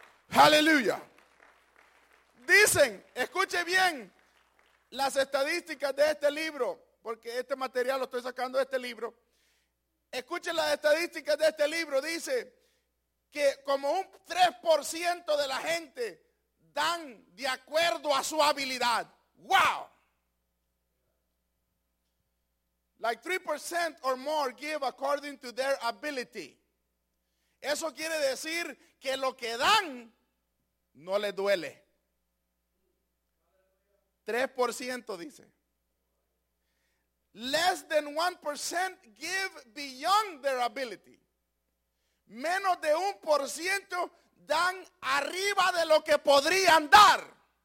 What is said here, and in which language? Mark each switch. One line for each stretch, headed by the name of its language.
Spanish: Aleluya. Dicen, escuche bien las estadísticas de este libro, porque este material lo estoy sacando de este libro. Escuchen las estadísticas de este libro. Dice que como un 3% de la gente dan de acuerdo a su habilidad. ¡Wow!
English: Like 3% or more give according to their ability.
Spanish: Eso quiere decir que lo que dan no les duele.
English: 3% dice. Less than 1% give beyond their ability.
Spanish: Menos de 1% dan arriba de lo que podrían dar.